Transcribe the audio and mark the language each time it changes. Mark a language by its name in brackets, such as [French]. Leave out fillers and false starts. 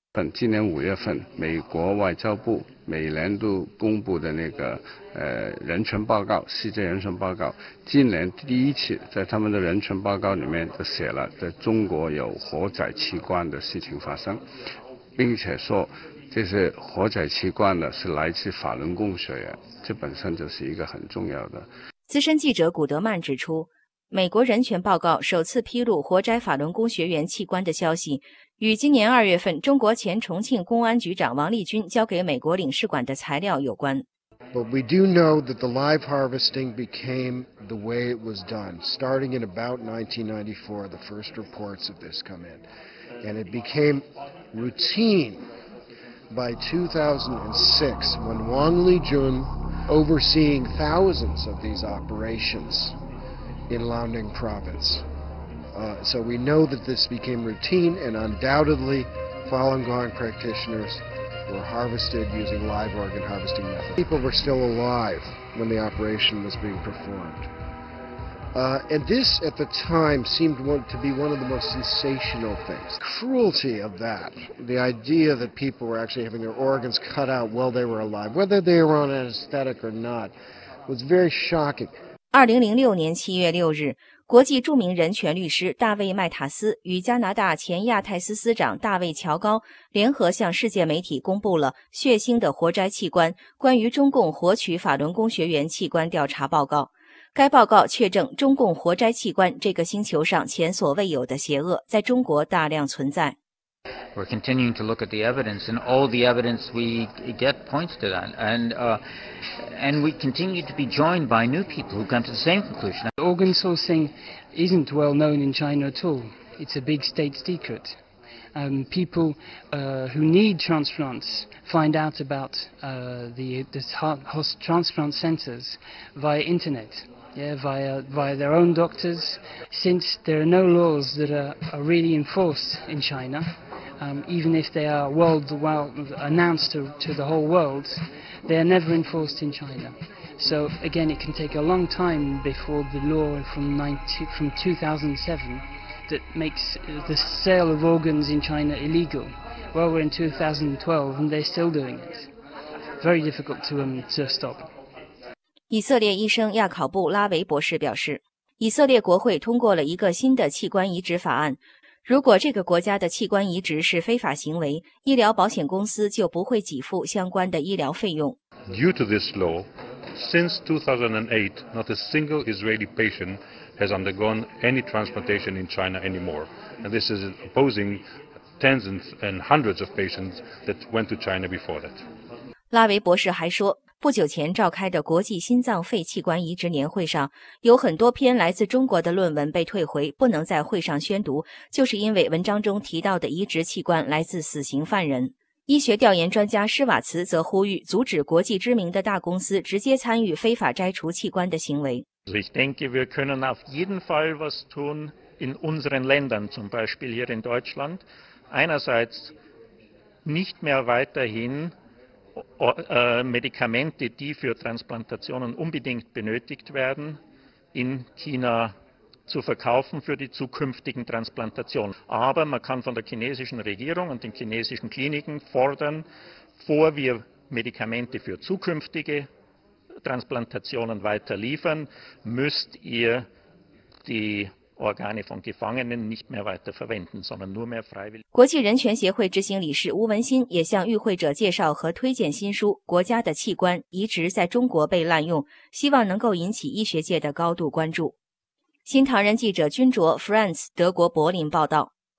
[Chinese] 本今年五月份，美国外交部每年都公布的那个人权报告，世界人权报告，今年第一次在他们的人权报告里面就写了在中国有活摘器官的事情发生，并且说这些活摘器官的是来自法轮功学员，这本身就是一个很重要的。资深记者古德曼指出，美国人权报告首次披露活摘法轮功学员器官的消息，与今年二月份中国前重庆公安局长王立军交给美国领事馆的材料有关。 [English] But we do know that the live harvesting became the way it was done, starting in about 1994, the first reports of this come in. And it became routine by 2006, when Wang Lijun, overseeing thousands of these operations in Liaoning province,so we know that this became routine, and undoubtedly Falun Gong practitioners were harvested using live organ harvesting methods. People were still alive when the operation was being performed. And this at the time seemed to be one of the most sensational things. Cruelty of that, the idea that people were actually having their organs cut out while they were alive, whether they were on anesthetic or not, was very shocking. [Chinese] 2006年7月6日，国际著名人权律师大卫·麦塔斯与加拿大前亚太司司长大卫·乔高联合向世界媒体公布了血腥的活摘器官关于中共活取法轮功学员器官调查报告。该报告确证中共活摘器官这个星球上前所未有的邪恶在中国大量存在。 [English] We're continuing to look at the evidence, and all the evidence we get points to that. And we continue to be joined by new people who come to the same conclusion. Organ sourcing isn't well known in China at all. It's a big state secret. People who need transplants find out about the transplant centers via internet. via their own doctors. Since there are no laws that are really enforced in China, even if they are announced to the whole world, they are never enforced in China. So again, it can take a long time before the law from 2007 that makes the sale of organs in China illegal. Well, we're in 2012 and they're still doing it. Very difficult to stop. [Chinese] 以色列医生亚考布·拉维博士表示，以色列国会通过了一个新的器官移植法案。如果这个国家的器官移植是非法行为，医疗保险公司就不会给付相关的医疗费用。 [English] Due to this law, since 2008, not a single Israeli patient has undergone any transplantation in China anymore. And this is opposing tens and hundreds of patients that went to China before that. [Chinese] 拉维博士还说，不久前召开的国际心脏肺器官移植年会上，有很多篇来自中国的论文被退回，不能在会上宣读，就是因为文章中提到的移植器官来自死刑犯人。医学调研专家施瓦茨则呼吁阻止国际知名的大公司直接参与非法摘除器官的行为。 [German] Ich denke, wir können auf jeden Fall was tun in unseren Ländern, zum Beispiel hier in Deutschland. Einerseits nicht mehr weiterhin. Medikamente, die für Transplantationen unbedingt benötigt werden, in China zu verkaufen für die zukünftigen Transplantationen. Aber man kann von der chinesischen Regierung und den chinesischen Kliniken fordern, bevor wir Medikamente für zukünftige Transplantationen weiter liefern, müsst ihr die Organe von Gefangenen nicht mehr weiter verwenden, sondern nur mehr freiwillig. [Chinese] 国际人权协会执行理事吴文新也向与会者介绍和推荐新书《国家的器官移植在中国被滥用》，希望能够引起医学界的高度关注。新唐人记者君卓 France 德国柏林报道。